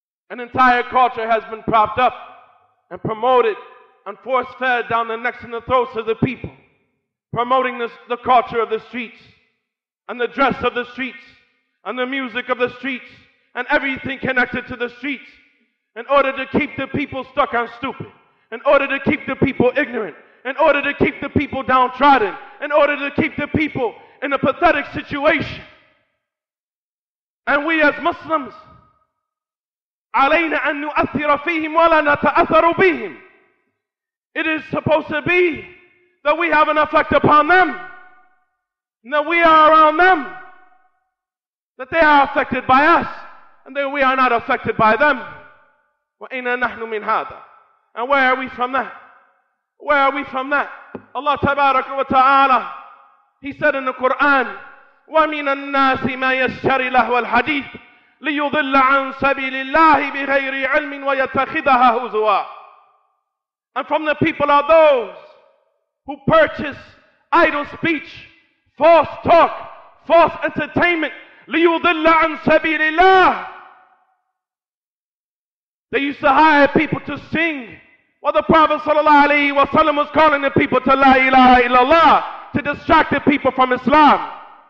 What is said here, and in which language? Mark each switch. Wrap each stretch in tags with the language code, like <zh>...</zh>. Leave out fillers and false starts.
<en>An entire culture has been propped up and promoted and force-fed down the necks and the throats of the people, promoting the culture of the streets and the dress of the streets and the music of the streets and everything connected to the streets in order to keep the people stuck and stupid, in order to keep the people ignorant, in order to keep the people downtrodden, in order to keep the people in a pathetic situation. And we as Muslims,</en> <ar>علينا أن نؤثر فيهم ولا نتأثر بهم.</ar> <en>It is supposed to be that we have an effect upon them, and that we are around them, that they are affected by us, and that we are not affected by them.</en> <ar>وأين نحن من هذا?</ar> <en>And where are we from that? Where are we from that?</en> <ar>Allah تبارك وتعالى,</ar> <en>He said in the Quran,</en> <ar>وَمِنَ النَّاسِ مَا يَشْتَرِي لَهُ الْحَدِيثِ ليضل عن سبيل الله بغير علم ويتخذها هزوا.</ar> <en>And from the people are those who purchase idle speech, false talk, false entertainment.</en> <ar>ليضل عن سبيل الله.</ar> <en>They used to hire people to sing while the Prophet sallallahu alaihi wasallam was calling the people to la ilaha illallah, to distract the people from Islam.</en>